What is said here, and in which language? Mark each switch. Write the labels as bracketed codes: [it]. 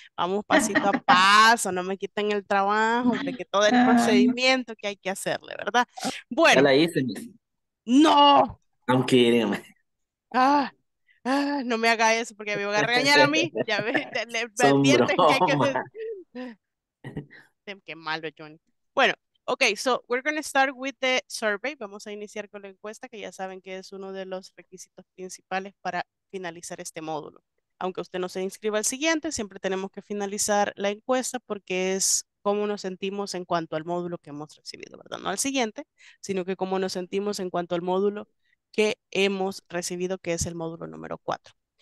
[es] Vamos pasito a paso, no me quiten el trabajo, de que todo el procedimiento que hay que hacerle, ¿verdad? Bueno. Ya la hice. ¡No! [en] I'm kidding. [es] No me haga eso porque me voy a regañar a mí. Ya ves, me advierten que hay que hacer. Qué malo, Johnny. Bueno. [en] Okay, so we're going to start with the survey. [es] Vamos a iniciar con la encuesta, que ya saben que es uno de los requisitos principales para finalizar este módulo. Aunque usted no se inscriba al siguiente, siempre tenemos que finalizar la encuesta porque es cómo nos sentimos en cuanto al módulo que hemos recibido, ¿verdad? No al siguiente, sino que cómo nos sentimos en cuanto al módulo que hemos recibido, que es el módulo número 4.